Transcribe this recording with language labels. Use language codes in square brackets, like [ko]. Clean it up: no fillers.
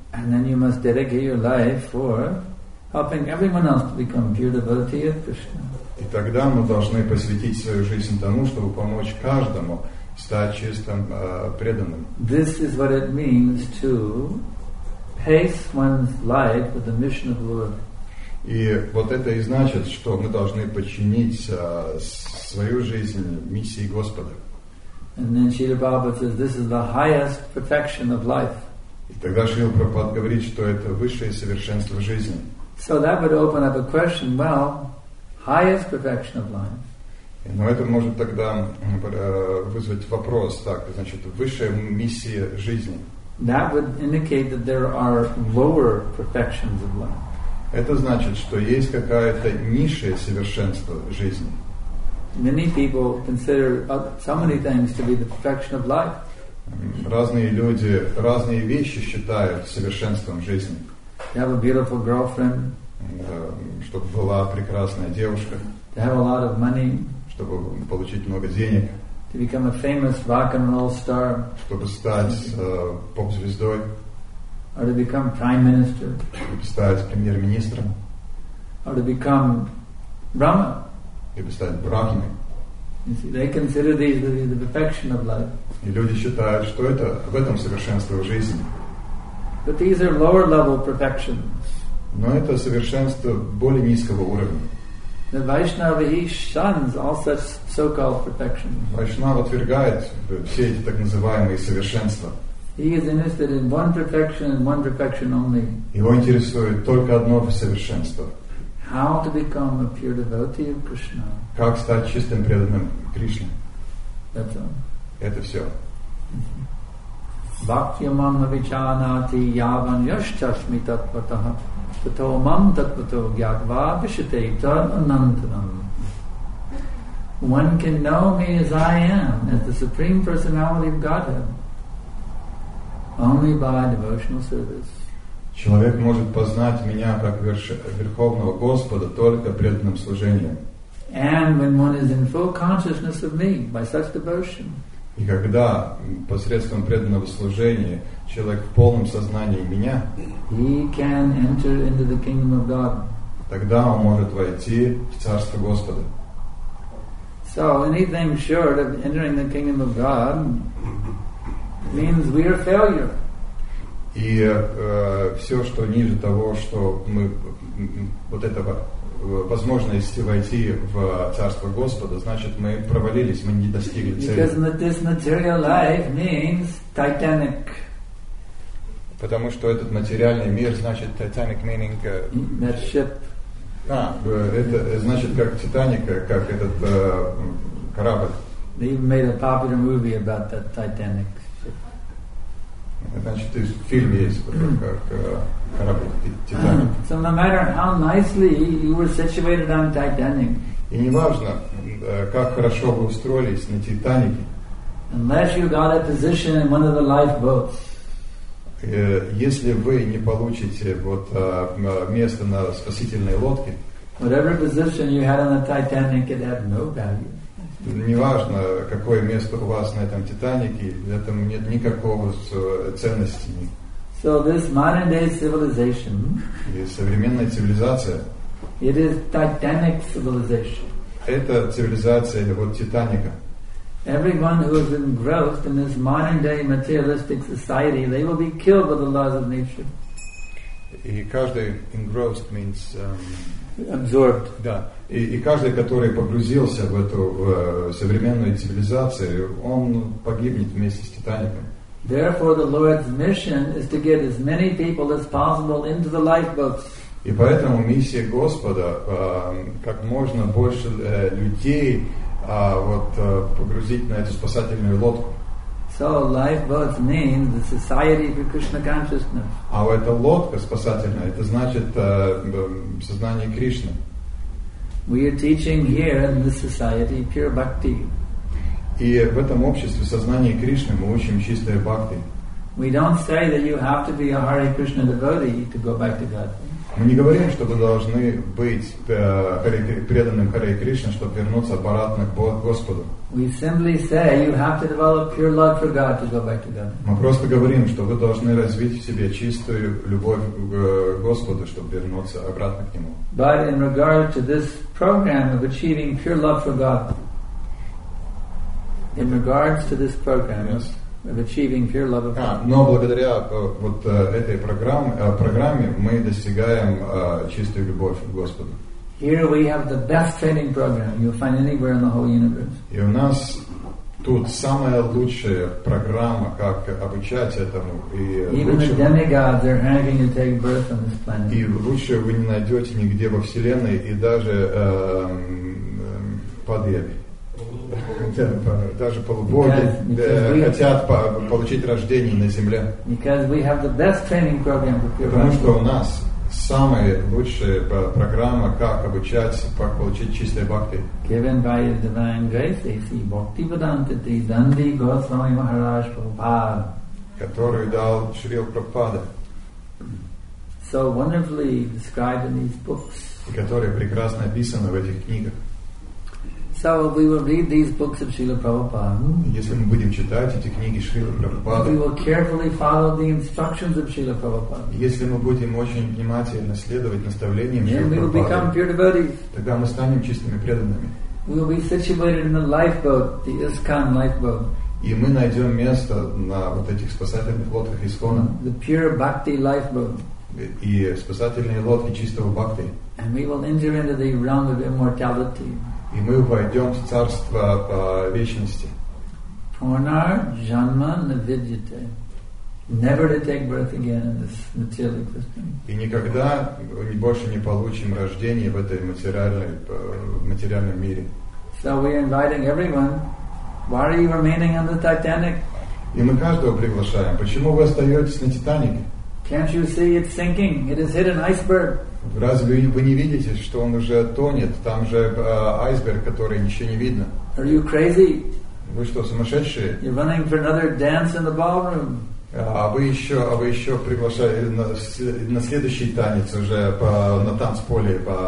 [en] And then you must dedicate your life for helping everyone else to become pure devotee of Krishna. [ru] И тогда мы должны посвятить свою жизнь тому, чтобы помочь каждому стать чистым преданным. [en] This is what it means to pace one's life with the mission of the Lord. [ru] И вот это и значит, что мы должны подчинить свою жизнь миссии Господа. [en] And then Śrīla Prabhupāda says, this is the highest perfection of life. [ru] И тогда Śrīla Prabhupāda говорит, что это высшее совершенство жизни. [en] So that would open up a question, well, highest perfection of life. [ru] Но это может тогда вызвать вопрос, так, значит, высшая миссия жизни. [en] That would indicate that there are lower perfections of life. [ru] Это значит, что есть какое-то низшее совершенство жизни. [en] Many people consider so many things to be the perfection of life. [ru] Разные люди, разные вещи считают совершенством жизни. [en] To have a beautiful girlfriend. [ru] Чтобы была прекрасная девушка. [en] To have a lot of money. [ru] Чтобы получить много денег. [en] To become a famous rock and roll star. [ru] Чтобы стать поп-звездой. [en] Or to become prime minister. [ru] Чтобы стать премьер-министром. [en] Or to become Brahma. [ru] Чтобы стать брахманом. [en] You see, they consider these to be the perfection of life. [ru] И люди считают, что это в этом совершенство в жизни. [en] But these are lower level perfections. [ru] Но это совершенство более низкого уровня. [en] The Vaishnava, he shuns all such so-called perfections. [ru] Vaishnava отвергает все эти так называемые совершенства. [en] He is interested in one perfection and one perfection only. [ru] Его интересует только одно совершенство. [en] How to become a pure devotee of Krishna? [ru] Как стать чистым преданным Кришне? [en] That's all. [ru] Это все. [sa] Bhaktyamam navichanati yavan yashchasmi tatvatah tato mam tatvato gyatva vishate tadanantanam. [en] One can know me as I am, as the Supreme Personality of Godhead, only by devotional service. [ru] Человек может познать меня как Верховного Господа только преданным служением. [en] And when one is in full consciousness of me, by such devotion. [ru] И когда посредством преданного служения человек в полном сознании меня, [en] he can enter into the kingdom of God. [ru] Тогда он может войти в Царство Господа. [en] So anything short of entering the kingdom of God means we are failure. [ru] И все, что ниже того, что мы вот этого возможности войти в Царство Господа, значит, мы провалились, мы не достигли цели. [en] Because this material life means Titanic. [ru] Потому что этот материальный мир значит [en] Titanic meaning that ship. [ru] А, это значит как Титаник, как этот корабль. [en] They even made a popular movie about that Titanic. [ru] Значит, в фильме есть как корабль Титаник. [en] So no matter how nicely you were situated on Titanic. [ru] И не важно, как хорошо вы устроились на Титанике. [en] Unless you got a position in one of the lifeboats. [ru] Если вы не получите вот место на спасительной лодке. [en] Whatever position you had on the Titanic, it had no value. [ru] Неважно, какое место у вас на этом Титанике, этому нет никакого ценности. [en] So this modern day civilization, [ru] и современная цивилизация, [en] it is Titanic civilization. [ru] Это цивилизация вот Титаника. [en] Everyone who is engrossed in this modern day materialistic society, they will be killed by the laws of nature. [ru] И каждый [en] engrossed means absorbed. [ru] Да. И каждый, который погрузился в эту в современную цивилизацию, он погибнет вместе с Титаником. [en] Therefore, the Lord's mission is to get as many people as possible into the lifeboats. [ru] И поэтому миссия Господа как можно больше людей вот погрузить на эту спасательную лодку. [en] So lifeboat means the society of Krishna consciousness. [ru] А эта лодка спасательная, это значит сознание Кришны. [en] We are teaching here in this society pure bhakti. [ru] И в этом обществе сознание Кришны мы учим чистое бхакти. [en] We don't say that you have to be a Hare Krishna devotee to go back to God. [ru] Мы не говорим, что вы должны быть преданным Харе Кришне, чтобы вернуться обратно к Господу. [en] We simply say you have to develop pure love for God to go back to God. [ru] Мы просто говорим, что вы должны развить в себе чистую любовь к Господу, чтобы вернуться обратно к Нему. [en] But in regard to this program of achieving pure love for God, in regards to this program. Yes. Of achieving pure love of God. [ru] Но благодаря вот этой программе мы достигаем чистую любовь к Господу. [en] Here we have the best training program you'll find anywhere in the whole universe. [ru] И у нас тут самая лучшая программа, как обучать этому. И [en] even the demigods are having to take birth on this planet. [ru] И лучше вы не найдете нигде во Вселенной и даже под небом. даже полубоги хотят получить рождение на земле. Потому что у нас самая лучшая программа, как обучать, получить чистой бхакти. [en] Given by His divine grace, A.C. Bhaktivedanta Tridandi Goswami Maharaj Prabhupada. [ru] Которую дал Шрил Прабхупада. [en] So wonderfully described in these books. [ru] И которая прекрасно описана в этих книгах. [en] So we will read these books of Srila Prabhupada. [ru] Если мы будем читать эти книги Шрила Прабхупады, [en] we will carefully follow the instructions of Srila Prabhupada. [ru] Если мы будем очень внимательно следовать наставлениям Шрила [en] Прабхупады, then we will become pure devotees. [ru] Тогда мы станем чистыми преданными. [en] We will be situated in the lifeboat, the ISKCON lifeboat. [ru] И мы найдем место на вот этих спасательных лодках ИСКОНа. [en] The pure bhakti lifeboat. [ru] И спасательные лодки чистого бхакти. [en] And we will enter into the realm of immortality. [ru] И мы войдем в царство по вечности. [sa] Punar janma navidyate. [en] Never to take birth again in this material existence. [ru] И никогда больше не получим рождение в этой материальном мире. [en] So we are inviting everyone. Why are you remaining on the Titanic? [ru] И мы каждого приглашаем. Почему вы остаетесь на Титанике? [en] Can't you see it's sinking? It has hit an iceberg. [ru] Разве вы не видите, что он уже тонет? Там же айсберг, который ничего не видно. [en] Are you crazy? [ru] Вы что, сумасшедшие? [en] You're running for another dance in the ballroom. [ru] А вы еще приглашаете на следующий танец уже на танцполе.